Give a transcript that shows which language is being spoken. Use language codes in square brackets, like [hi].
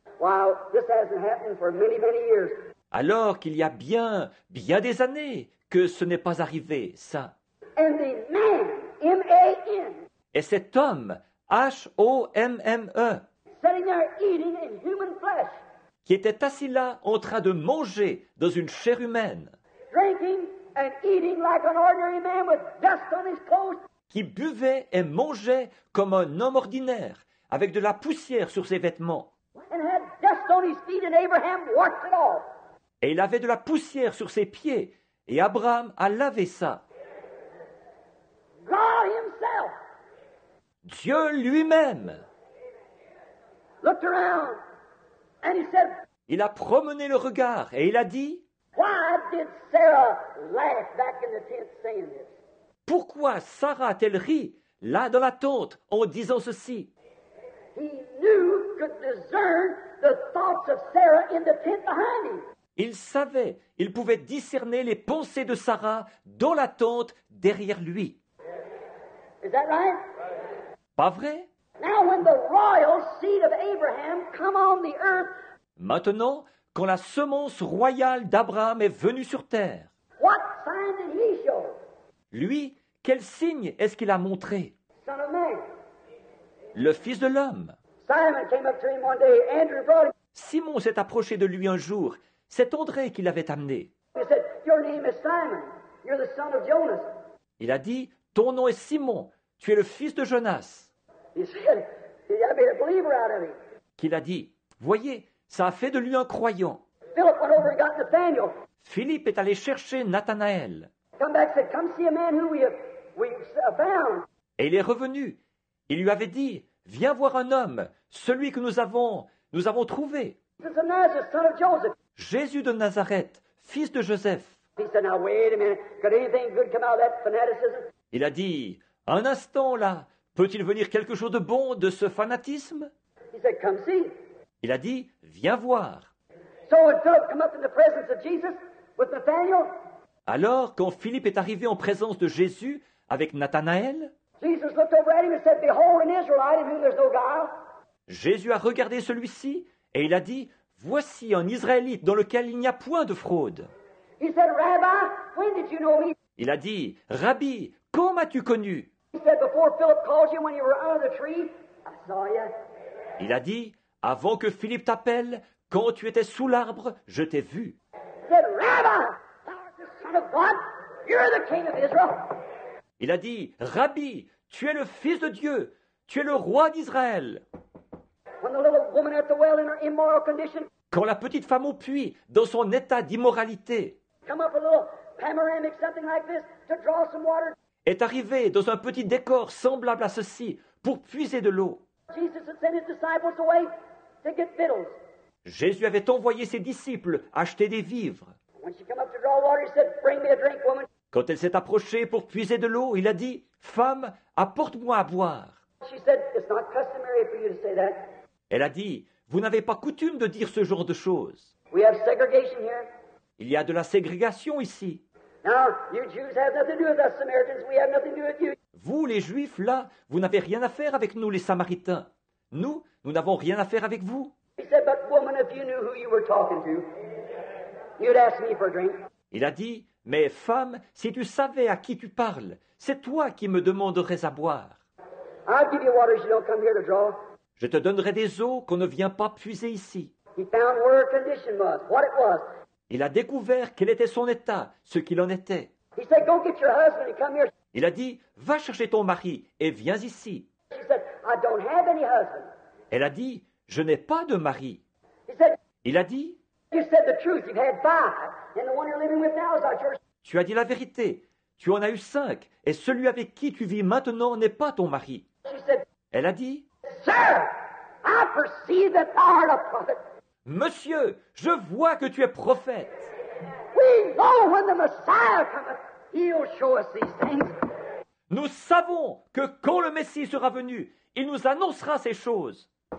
[en] wow, this hasn't happened for many, many years. [fr] Alors qu'il y a bien, bien des années que ce n'est pas arrivé, ça. [en] And the man, M-A-N, [fr] et cet homme, H-O-M-M-E, [en] sitting there eating in human flesh, [fr] qui était assis là en train de manger dans une chair humaine, [en] drinking and eating like an ordinary man with dust on his clothes, [fr] qui buvait et mangeait comme un homme ordinaire, avec de la poussière sur ses vêtements. [en] And had dust on his feet, and Abraham washed it off. [fr] Et il avait de la poussière sur ses pieds, et Abraham a lavé ça. [en] God himself. [fr] Dieu lui-même. [en] Looked around, and he said, [fr] il a promené le regard et il a dit, [en] why did Sarah laugh back in the tent saying this? [fr] Pourquoi Sarah a-t-elle ri là dans la tente en disant ceci? [en] He knew, could discern the thoughts of Sarah in the tent behind him. [fr] Il savait, il pouvait discerner les pensées de Sarah dans la tente derrière lui. [en] Is that right? [fr] Pas vrai? [en] Now when the royal seed of Abraham come on the earth, [fr] maintenant, quand la semence royale d'Abraham est venue sur terre, [en] what sign did he show? [fr] Lui, quel signe est-ce qu'il a montré? [en] Son of man. [fr] Le Fils de l'homme. [en] Simon came up to him one day. Andrew brought him. [fr] Simon s'est approché de lui un jour. C'est André qui l'avait amené. [en] He said, your name is Simon. You're the son of Jonas. [fr] Il a dit, ton nom est Simon. Tu es le fils de Jonas. [en] He said, he made a believer out of him. [fr] Qu'il a dit, voyez, ça a fait de lui un croyant. [en] Philip went over and got Nathaniel. [fr] Philippe est allé chercher Nathanaël. [en] Come back and said, come see a man who we have found. [fr] Et il est revenu. Il lui avait dit, viens voir un homme, celui que nous avons trouvé. [en] Jesus of Nazareth, son of Joseph. [fr] Jésus de Nazareth, fils de Joseph. [en] He said, now wait a minute. Could anything good come out of that fanaticism? [fr] Il a dit, un instant là, peut-il venir quelque chose de bon de ce fanatisme? [en] He said, come see. [fr] Il a dit, viens voir. [en] So when Philip came up in the presence of Jesus with Nathanael. [fr] Alors, quand Philippe est arrivé en présence de Jésus avec Nathanaël, [en] Jesus looked over at him and said, behold an Israelite in whom there's no guile. [fr] Jésus a regardé celui-ci et il a dit, voici un Israélite dans lequel il n'y a point de fraude. [en] He said, Rabbi, when did you know me? [fr] Il a dit, Rabbi, quand m'as-tu connu? [en] He said, before Philip called you when you were out of the tree, I saw you. [fr] Il a dit, avant que Philippe t'appelle, quand tu étais sous l'arbre, je t'ai vu. [en] He said, Rabbi, thou art the son of God, you're the king of Israel. [fr] Il a dit, Rabbi, tu es le fils de Dieu, tu es le roi d'Israël. [en] When the little woman at the well in her immoral condition, [fr] quand la petite femme au puits, dans son état d'immoralité, [en] come up a little panoramic, something like this, to draw some water, [fr] est arrivée dans un petit décor semblable à ceci pour puiser de l'eau. [en] Jesus had sent his disciples away to get victuals. [fr] Jésus avait envoyé ses disciples acheter des vivres. [en] When she came up to draw water, he said, bring me a drink, woman. [fr] Quand elle s'est approchée pour puiser de l'eau, il a dit, femme, apporte-moi à boire. [en] She said, it's not customary for you to say that. [fr] Elle a dit, vous n'avez pas coutume de dire ce genre de choses. [en] We have segregation here. [fr] Il y a de la ségrégation ici. [en] Now, you Jews have nothing to do with us, Samaritans. We have nothing to do with you. [fr] Vous, les Juifs, là, vous n'avez rien à faire avec nous, les Samaritains. Nous n'avons rien à faire avec vous. [en] He said, but woman, if you knew who you were talking to, you'd ask me for a drink. [fr] Il a dit, mais femme, si tu savais à qui tu parles, c'est toi qui me demanderais à boire. [en] I'll give you water if you don't come here to draw. [fr] Je te donnerai des eaux qu'on ne vient pas puiser ici. [en] He found where her condition was, what it was. [fr] Il a découvert quel était son état, ce qu'il en était. [en] He said, go get your husband and come here. [fr] Il a dit, va chercher ton mari et viens ici. [en] She said, I don't have any husband. [fr] Elle a dit, je n'ai pas de mari. [en] He said, [fr] il a dit, [en] you said the truth, you've had five, and the one you're living with now is not yours. [fr] Tu as dit la vérité, tu en as eu cinq, et celui avec qui tu vis maintenant n'est pas ton mari. [en] She said, [fr] elle a dit, [en] sir, I perceive that thou art a prophet. [fr] Monsieur, je vois que tu es prophète. [en] We know when the Messiah cometh, he'll show us these things. [fr] Nous savons que quand le Messie sera venu, il nous annoncera ces choses.